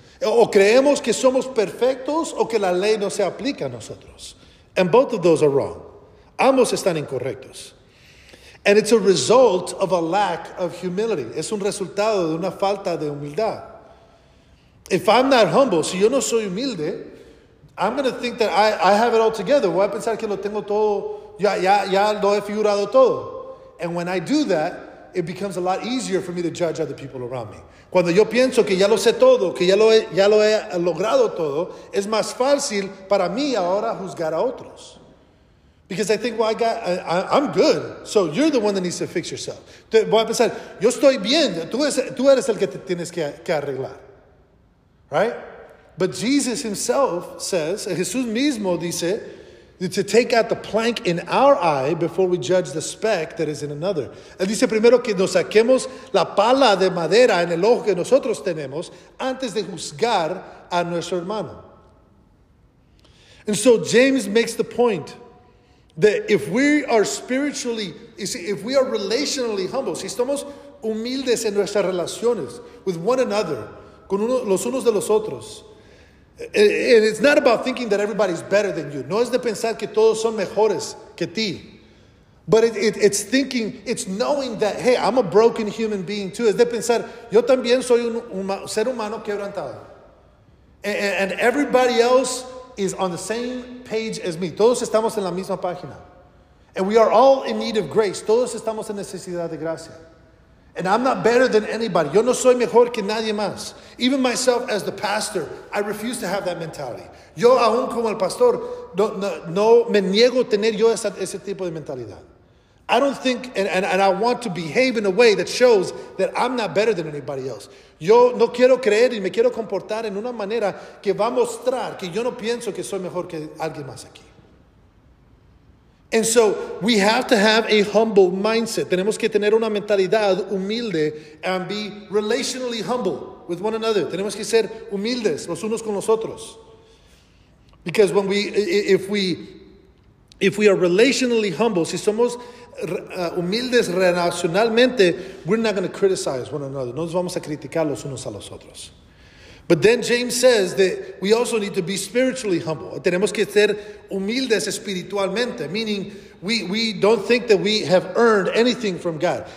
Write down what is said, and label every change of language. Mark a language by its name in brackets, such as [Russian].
[Spanish] O creemos que somos perfectos o que la ley no se aplica a nosotros. [English] And both of those are wrong. [Spanish] Ambos están incorrectos. [English] And it's a result of a lack of humility. [Spanish] Es un resultado de una falta de humildad. [English] If I'm not humble, [Spanish] si yo no soy humilde, [English] I'm going to think that I have it all together. [Spanish] Voy a pensar que lo tengo todo, ya lo he figurado todo. [English] And when I do that, it becomes a lot easier for me to judge other people around me. [Spanish] Cuando yo pienso que ya lo sé todo, que ya lo he logrado todo, es más fácil para mí ahora juzgar a otros. [English] Because I think, well, I'm good. So you're the one that needs to fix yourself. [Spanish] Voy a pensar, yo estoy bien. Tú eres el que te tienes que arreglar. [English] Right? But Jesus himself says, [Spanish] Jesús mismo dice, [English] to take out the plank in our eye before we judge the speck that is in another. [Spanish] Él dice primero que nos saquemos la pala de madera en el ojo que nosotros tenemos antes de juzgar a nuestro hermano. [English] And so James makes the point that if we are spiritually, if we are relationally humble, [Spanish] si estamos humildes en nuestras relaciones [English] with one another, [Spanish] los unos de los otros, [English] and it's not about thinking that everybody's better than you. [Spanish] No es de pensar que todos son mejores que ti. [English] But it's thinking, it's knowing that, hey, I'm a broken human being too. [Spanish] Es de pensar, yo también soy un ser humano quebrantado. [English] And everybody else is on the same page as me. [Spanish] Todos estamos en la misma página. [English] And we are all in need of grace. [Spanish] Todos estamos en necesidad de gracia. [English] And I'm not better than anybody. [Spanish] Yo no soy mejor que nadie más. [English] Even myself as the pastor, I refuse to have that mentality. [Spanish] Yo aún como el pastor, no me niego a tener yo ese tipo de mentalidad. [English] I don't think, and I want to behave in a way that shows that I'm not better than anybody else. [Spanish] Yo no quiero creer y me quiero comportar en una manera que va a mostrar que yo no pienso que soy mejor que alguien más aquí. [English] And so we have to have a humble mindset. [Spanish] Tenemos que tener una mentalidad humilde [English] and be relationally humble with one another. [Spanish] Tenemos que ser humildes los unos con los otros. [English] Because when we, if we, If we are relationally humble, [Spanish] si somos humildes relacionalmente, [English] we're not going to criticize one another. [Spanish] No nos vamos a criticar los unos a los otros. [English] But then James says that we also need to be spiritually humble. [Spanish] Tenemos que ser humildes espiritualmente, [English] meaning we don't think that we have earned anything from God.